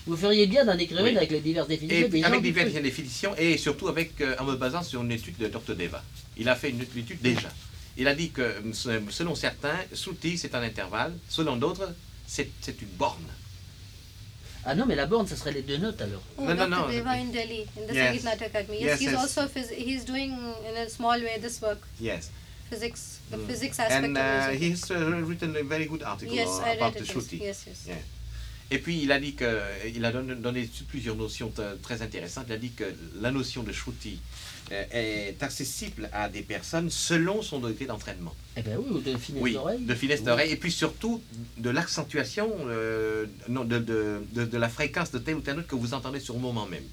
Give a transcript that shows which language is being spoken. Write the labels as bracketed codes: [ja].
[fr] Vous feriez bien d'en écrire une avec les diverses définitions. Et surtout avec, en me basant sur une étude de Dr. Deva. Il a fait une étude déjà. Il a dit que, selon certains, shruti, c'est un intervalle. Selon d'autres, c'est une borne. Ah non, mais la borne, ce serait les deux notes, alors. Oh, non. [en] Dr. Deva in Delhi, in the Sangeet Nat Academy. Yes, he's also, he's doing, in a small way, this work. Yes. Physics aspect and he's written a very good article about the shruti. Yes, yes. Yeah. [fr] Et puis il a dit que il a donné plusieurs notions très intéressantes. Il a dit que la notion de shruti est accessible à des personnes selon son degré d'entraînement. Eh ben oui, ou de finesse d'oreille. De finesse d'oreille et puis surtout de l'accentuation de la fréquence de telle ou telle note que vous entendez sur le moment même.